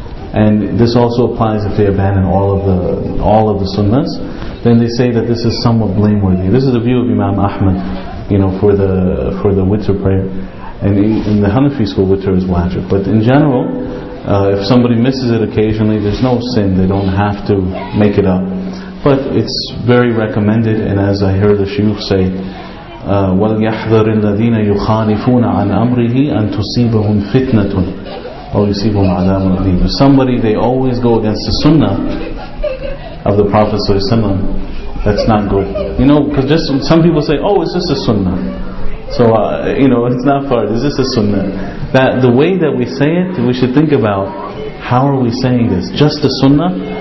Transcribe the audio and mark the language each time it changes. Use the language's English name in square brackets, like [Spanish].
[English] And this also applies if they abandon all of the sunnahs, then they say that this is somewhat blameworthy. This is the view of Imam Ahmad, you know, for the witr prayer. And in the Hanafi school, witr is wajib. But in general, if somebody misses it occasionally, there's no sin. They don't have to make it up. But it's very recommended. And as I heard the shuyukh say, [Arabic] وَلْيَحْذَرِ الَّذِينَ يُخَالِفُونَ عَنْ أَمْرِهِ أَنْ تُصِيبَهُمْ فِتْنَةٌ أَوْ يُصِيبَهُمْ عَذَابٌ أَلِيمٌ. [English] If somebody, they always go against the sunnah of the Prophet ﷺ, that's not good. You know, because just some people say, oh, it's just a sunnah. So, you know, it's not fard, it's just a sunnah. That the way that we say it, we should think about, how are we saying this? Just the sunnah?